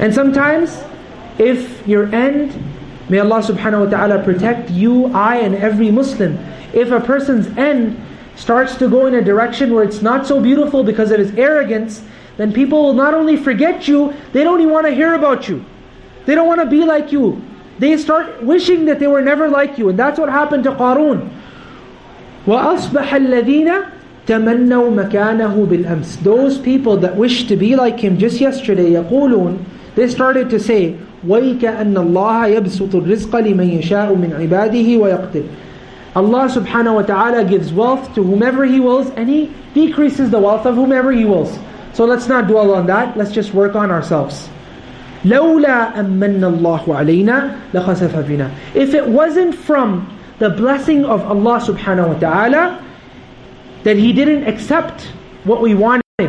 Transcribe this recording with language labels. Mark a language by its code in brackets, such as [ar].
[en] And sometimes, if your end, may Allah subhanahu wa ta'ala protect you, I, and every Muslim, if a person's end starts to go in a direction where it's not so beautiful because of his arrogance, then people will not only forget you, they don't even want to hear about you. They don't want to be like you. They start wishing that they were never like you. And that's what happened to Qarun. [ar] وَأَصْبَحَ الَّذِينَ تَمَنَّوا مَكَانَهُ بِالْأَمْسِ. [en] Those people that wish to be like him just yesterday, [ar] يَقُولُونَ, [en] They started to say, [ar] وَيْكَأَنَّ اللَّهَ يَبْسُطُ الرِّزْقَ لِمَنْ يَشَاءُ مِنْ عِبَادِهِ وَيَقْتِرْ. [en] Allah subhanahu wa ta'ala gives wealth to whomever He wills, and He decreases the wealth of whomever He wills. So let's not dwell on that, let's just work on ourselves. [ar] لَوْلَا أَمَّنَّ اللَّهُ عَلَيْنَا لَخَسَفَ بِنَا. [en] If it wasn't from the blessing of Allah subhanahu wa ta'ala, that He didn't accept what we wanted.